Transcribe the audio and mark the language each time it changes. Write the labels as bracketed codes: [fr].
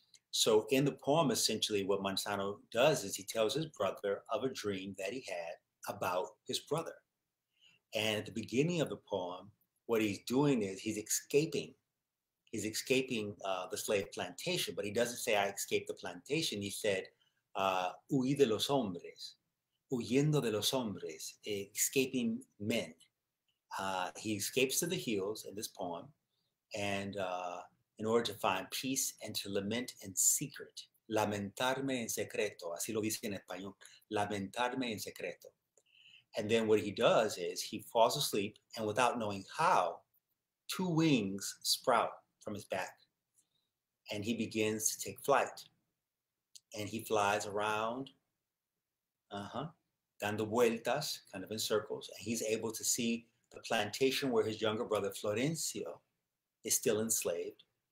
[en] So in the poem, essentially what Manzano does is he tells his brother of a dream that he had about his brother. And at the beginning of the poem, what he's doing is he's escaping. He's escaping the slave plantation, but he doesn't say, I escaped the plantation. He said, [es] huí de los hombres, [en] huyendo de los hombres, escaping men. He escapes to the hills in this poem, and in order to find peace and to lament in secret. [es] Lamentarme en secreto, así lo dice en español, lamentarme en secreto. [en] And then what he does is he falls asleep, and without knowing how, two wings sprout from his back, and he begins to take flight. And he flies around, [es] dando vueltas, [en] kind of in circles, and he's able to see the plantation where his younger brother Florencio is still enslaved.